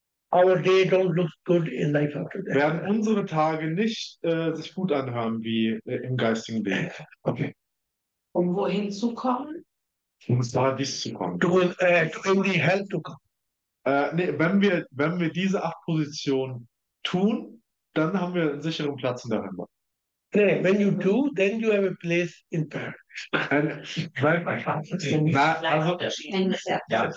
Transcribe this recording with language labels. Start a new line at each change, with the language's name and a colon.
English: Our day don't look good in life after that.
German: Werden unsere Tage nicht sich gut anhören wie im geistigen Leben. Okay. Um wohin zu kommen? Um ins Paradies zu kommen.
English: In the hell to come.
German: Wenn wir diese 8 Positionen tun, dann haben wir einen sicheren Platz in der Hölle.
English: Nee, when you do, then you have a place in Paradise.